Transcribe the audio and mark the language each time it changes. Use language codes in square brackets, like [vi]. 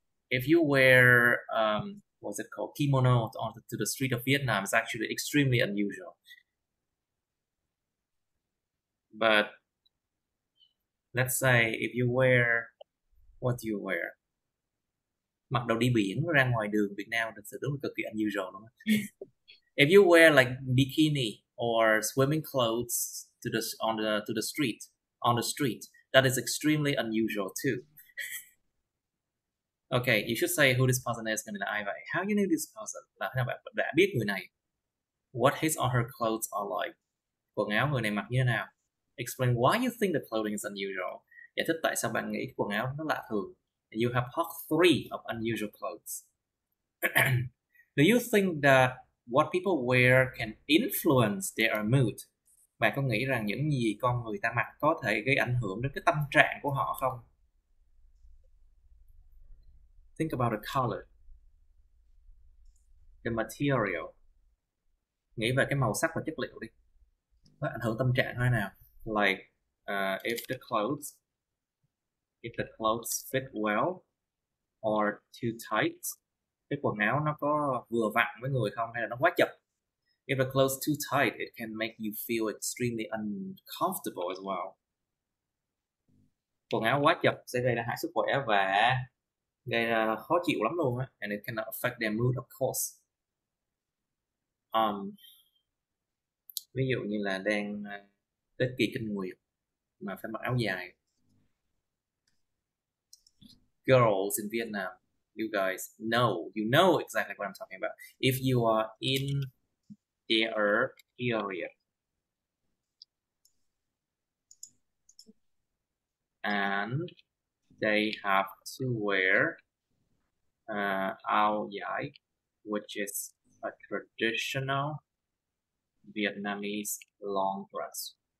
[en] If you wear, what's it called, kimono to the street of Vietnam, it's actually extremely unusual. But let's say if you wear, what do you wear? [vi] Mặc đồ đi biển ra ngoài đường Việt Nam thật sự đúng là cực kỳ unusual, đúng không? [en] If you wear like bikini or swimming clothes to the street, that is extremely unusual too. Okay, you should say who this person is. Gonna be [vi] ai vậy? [en] How you know this person? [vi] Là thế nào bạn đã biết người này? [en] What his or her clothes are like? [vi] Quần áo người này mặc như thế nào? [en] Explain why you think the clothing is unusual. [vi] Giải thích tại sao bạn nghĩ quần áo nó lạ thường. [en] And you have part three of unusual clothes. Do you think that what people wear can influence their mood? [vi] Bạn có nghĩ rằng những gì con người ta mặc có thể gây ảnh hưởng đến cái tâm trạng của họ không? [en] Think about the color, the material. [vi] Nghĩ về cái màu sắc và chất liệu đi. Nó ảnh hưởng tâm trạng hay nào? [en] Like, if the clothes fit well or too tight. [vi] Cái quần áo nó có vừa vặn với người không hay là nó quá chật. [en] If the clothes too tight, it can make you feel extremely uncomfortable as well. [vi] Quần áo quá chật sẽ gây ra hại sức khỏe và gây ra khó chịu lắm luôn á. [en] And it can affect their mood, of course. [vi] Ví dụ như là đang tết kỳ kinh nguyệt mà phải mặc áo dài. [en] Girls in Vietnam, you guys know, you know exactly what I'm talking about. If you are in their area, and they have to wear áo dài, which is a traditional Vietnamese long dress.